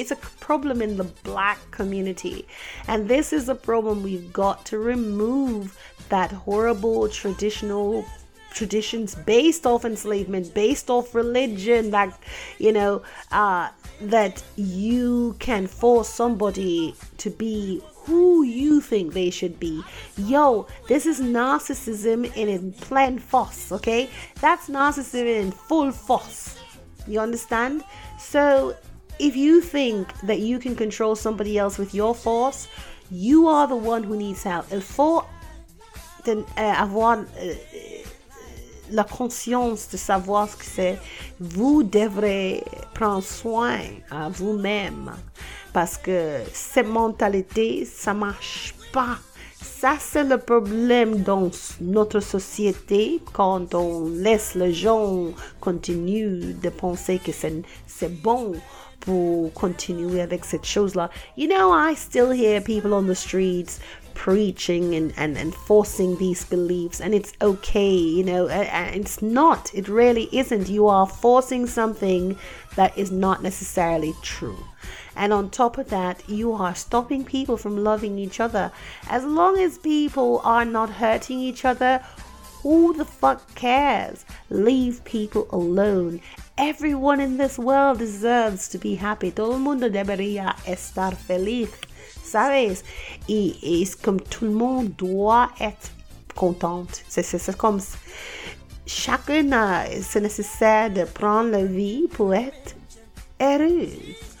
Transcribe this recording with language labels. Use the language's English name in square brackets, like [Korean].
[English] It's a problem in the Black community. And this is a problem we've got to remove, that horrible traditional traditions based off enslavement, based off religion, that, you know, that you can force somebody to be who you think they should be. Yo, this is narcissism in plein force, okay? That's narcissism in full force. You understand? So if you think that you can control somebody else with your force, you are the one who needs help. [French] Il faut avoir la conscience de savoir ce que c'est. Vous devrez prendre soin à vous-même. Parce que cette mentalité, ça marche pas. Ça, c'est le problème dans notre société quand on laisse les gens continuer de penser que c'est bon pour continuer avec cette chose-là. [English] You know, I still hear people on the streets preaching and enforcing these beliefs, and it's okay, you know, and it's not. It really isn't. You are forcing something that is not necessarily true. And on top of that, you are stopping people from loving each other. As long as people are not hurting each other, who the fuck cares? Leave people alone. Everyone in this world deserves to be happy. [Spanish] Todo el mundo debería estar feliz, ¿sabes? Y es como todo el mundo [French] doit être content. C'est comme chacun a, c'est nécessaire de prendre la vie pour être heureux.